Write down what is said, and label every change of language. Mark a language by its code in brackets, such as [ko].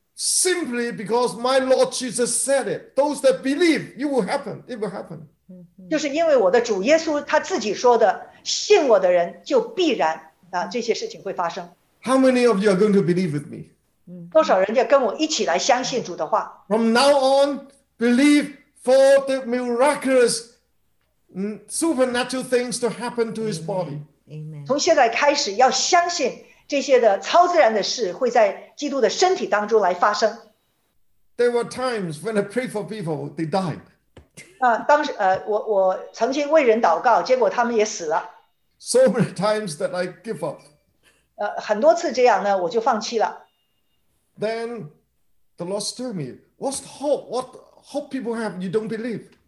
[en] Simply because my Lord Jesus said it, those that believe, it will happen. [zh] 就是因为我的主耶稣他自己说的，信我的人就必然这些事情会发生。 [en] How many of you are going to believe with me? [zh] 多少人要跟我一起来相信主的话? [en] From now on, believe for the miraculous supernatural things to happen to his body. Amen. [zh] 从现在开始要相信这些的超自然的事会在基督的身体当中来发生。 [en] There were times when I prayed for people, they died. [zh] 当时我曾经为人祷告，结果他们也死了。 [en] So many times that I give up. [zh] 很多次这样呢，我就放弃了。 [en] Then the Lord stirred me. What's the hope? What hope people have you don't believe?